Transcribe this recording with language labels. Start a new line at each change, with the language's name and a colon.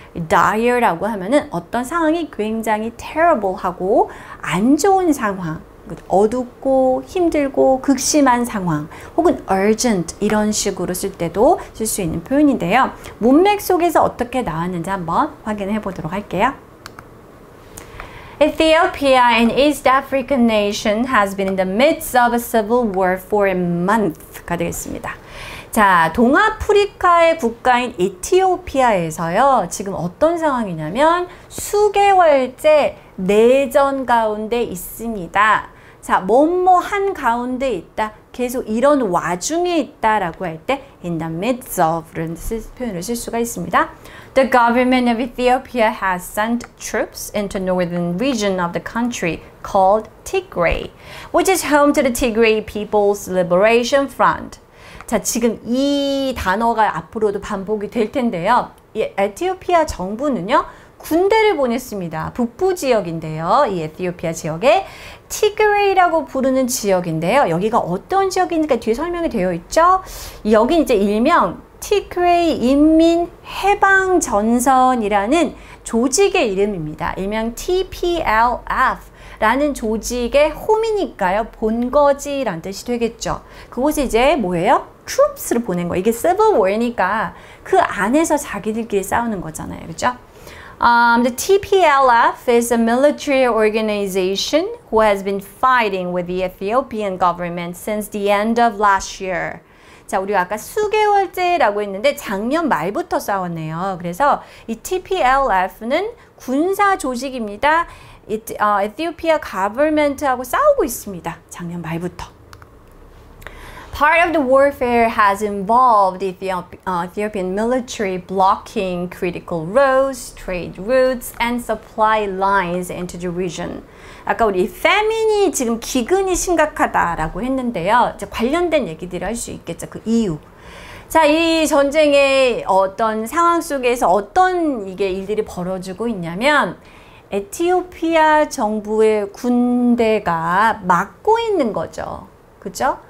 Korean: dire라고 하면은 어떤 상황이 굉장히 terrible하고 안 좋은 상황, 어둡고 힘들고 극심한 상황, 혹은 urgent 이런 식으로 쓸 때도 쓸 수 있는 표현인데요. 문맥 속에서 어떻게 나왔는지 한번 확인해 보도록 할게요.
English: Ethiopia, an East African nation, has been in the midst of a civil war for a month
Korean: 가 되겠습니다. 자, 동아프리카의 국가인 에티오피아에서요, 지금 어떤 상황이냐면 수개월째 내전 가운데 있습니다. 자, 뭐뭐 한 가운데 있다, 계속 이런 와중에 있다라고 할 때
English: in the midst of
Korean: 이런 표현을 쓸 수가 있습니다.
English: The government of Ethiopia has sent troops into northern region of the country called Tigray, which is home to the Tigray People's Liberation Front.
Korean: 자, 지금 이 단어가 앞으로도 반복이 될 텐데요. 이 에티오피아 정부는요, 군대를 보냈습니다. 북부 지역인데요. 이 에티오피아 지역에 티그레이라고 부르는 지역인데요. 여기가 어떤 지역인지 뒤에 설명이 되어 있죠. 여기 이제 일명 티그레이 인민 해방 전선이라는 조직의 이름입니다. 일명 TPLF 라는 조직의 홈이니까요. 본거지란 뜻이 되겠죠. 그곳이 이제 뭐예요? troops를 보낸 거예요. 이게 civil war니까 그 안에서 자기들끼리 싸우는 거잖아요. 그렇죠?
English: The TPLF is a military organization who has been fighting with the Ethiopian government since the end of last year.
Korean: 자, 우리가 아까 수개월째라고 했는데 작년 말부터 싸웠네요. 그래서 이 TPLF는 군사 조직입니다. Ethiopia government하고 싸우고 있습니다. 작년 말부터.
English: Part of the warfare has involved Ethiopian military blocking critical roads, trade routes, and supply lines into the region.
Korean: 아까 우리 famine이 지금 기근이 심각하다라고 했는데요. 이제 관련된 얘기들을 할 수 있겠죠. 그 이유. 자, 이 전쟁의 어떤 상황 속에서 어떤 이게 일들이 벌어지고 있냐면 에티오피아 정부의 군대가 막고 있는 거죠. 그죠?